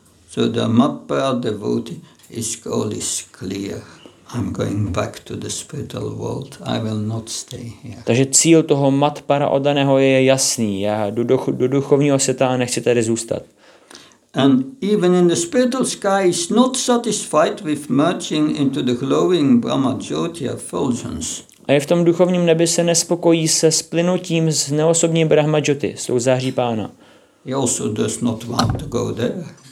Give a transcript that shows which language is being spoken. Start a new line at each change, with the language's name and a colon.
English: So the matpara devotee is always clear. I'm going back to the spiritual world. I will not stay here.
Czech: Takže cíl toho matpara oddaného je jasný. Já jdu do duchovního světa a nechci tady zůstat.
English: And even in the spiritual sky is not satisfied with merging into the glowing Brahma Jyoti effulgence.
Czech: A je v tom duchovním nebi se nespokojí se splynutím s neosobním Brahma Jyoti, s tou září pána.
English: He also does not want to go there.